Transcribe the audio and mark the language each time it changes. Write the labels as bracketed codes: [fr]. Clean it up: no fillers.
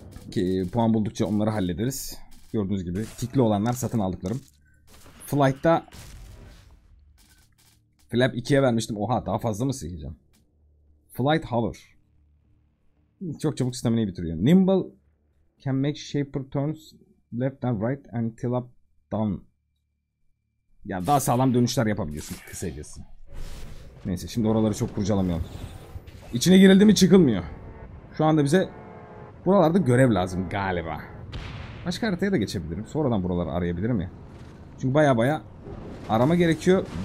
[tr] Ki puan buldukça onları hallederiz. Gördüğünüz gibi tikli olanlar satın aldıklarım. Flight'ta Flap 2'ye vermiştim. Oha, daha fazla mı sileceğim? Flight Hover. Çok çabuk stamina'yı bitiriyor. [en] Nimble can make shaper turns left and right and tilt up down. [tr] Ya daha sağlam dönüşler yapabiliyorsun kısacası. Neyse, şimdi oraları çok kurcalamayalım. İçine girildi mi çıkılmıyor. Şu anda bize buralarda görev lazım galiba. Başka haritaya da geçebilirim. Sonradan buraları arayabilirim ya. Çünkü baya baya arama gerekiyor.